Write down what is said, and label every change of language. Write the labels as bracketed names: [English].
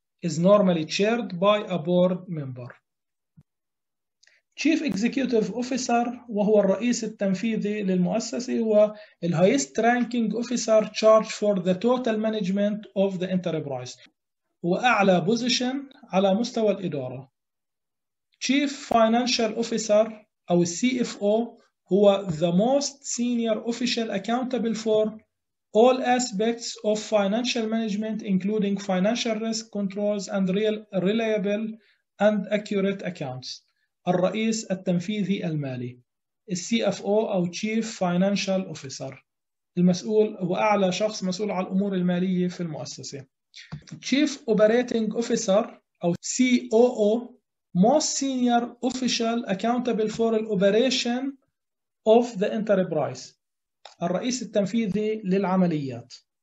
[English] is normally chaired by a board member. Chief Executive Officer [Arabic] وهو الرئيس التنفيذي للمؤسسة هو الـ [English] Highest Ranking Officer charged for the total management of the enterprise. [Arabic] هو أعلى position على مستوى الإدارة. [English] Chief Financial Officer أو CFO هو the most senior official accountable for all aspects of financial management including financial risk controls and reliable and accurate accounts. [Arabic] الرئيس التنفيذي المالي الـ CFO أو [English] Chief Financial Officer [Arabic] المسؤول هو أعلى شخص مسؤول على الأمور المالية في المؤسسة. [English] Chief Operating Officer أو COO Most Senior Official Accountable for the Operation of the Enterprise [Arabic] الرئيس التنفيذي للعمليات.